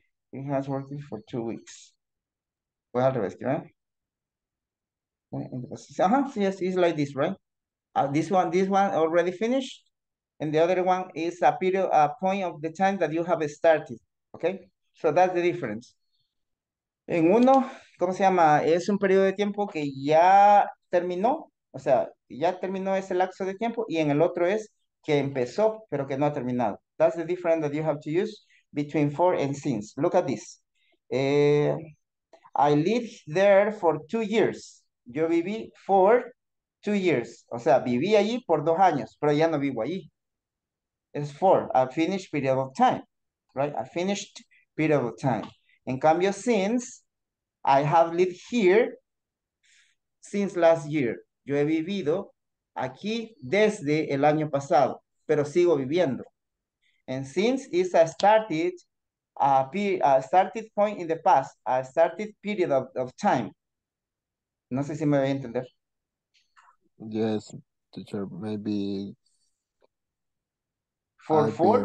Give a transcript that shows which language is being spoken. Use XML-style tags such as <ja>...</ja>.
<en>He has worked for 2 weeks.</en> <es>Pues al revés, ¿verdad?</es> <en>Ajá, yes, it's like this, right? This one already finished. And the other one is a period, a point of the time that you have started. Okay, so that's the difference.</en> <es>En uno, ¿cómo se llama? Es un periodo de tiempo que ya terminó, o sea, ya terminó ese lapso de tiempo, y en el otro es que empezó, pero que no ha terminado.</es> <en>That's the difference that you have to use between for and since. Look at this. I lived there for 2 years.</en> <es>Yo viví</es> <en>for 2 years.</en> <es>O sea, viví allí por 2 años, pero ya no vivo allí.</es> <en>It's for a finished period of time, right? A finished period of time.</en> <es>En cambio,</es> <en>since, I have lived here since last year.</en> <es>Yo he vivido aquí desde el año pasado, pero sigo viviendo.</es> <en>And since is a started, started point in the past, a started period of time.</en> <es>No sé si me voy a entender.</es> <en>Yes, teacher, maybe for I've four?</en>